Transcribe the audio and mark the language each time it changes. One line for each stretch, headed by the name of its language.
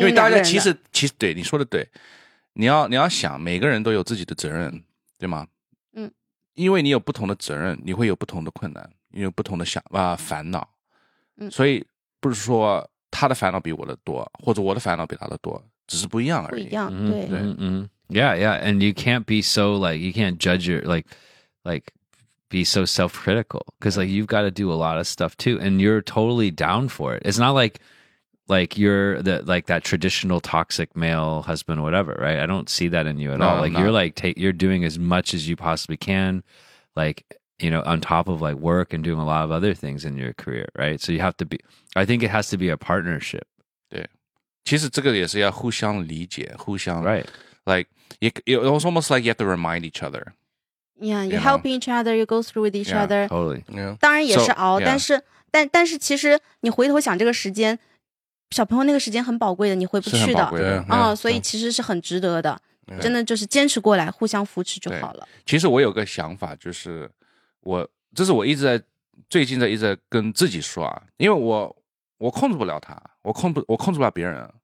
Chinese: 对，因为大家其实对你说的对，你要想每个人都有自己的责任，对吗？嗯，因为你有不同的责任，你会有不同的困难，你有不同的想烦恼，嗯，所以不是说他的烦恼比我的多，或者我的烦恼比他的多，只是不一样而已。不一样，对，对，
English: 嗯，yeah, yeah, and you can't be so like, you can't judge your, like,be so self-critical, because like you've got to do a lot of stuff too, and you're totally down for it. It's not like you're the like that traditional toxic male husband or whatever, right? I don't see that in you at no, all. Like no. you're like you're doing as much as you possibly can, like, you know, on top of like work and doing a lot of other things in your career, right? So you have to be, I think it has to be a partnership.
Chinese: 对，其实这个也是要互相理解，互相
English: right. Like it was almost like you have to remind each other. Yeah, you help each other, you go through with each other. Yeah, totally. Yeah.
Chinese: 当然也是熬，
English: so, yeah.
Chinese: 但是其实你回头想这个时间，小朋友那个时间很宝贵的，你回不去的。
English: Yeah,
Chinese: 所以其实是很值得的。真的就是坚持过来，互相扶持就好了。其实我有个想法，就是这是我一直在最近在一直在跟自己说啊，因为我控制不了他，我控制不了别人，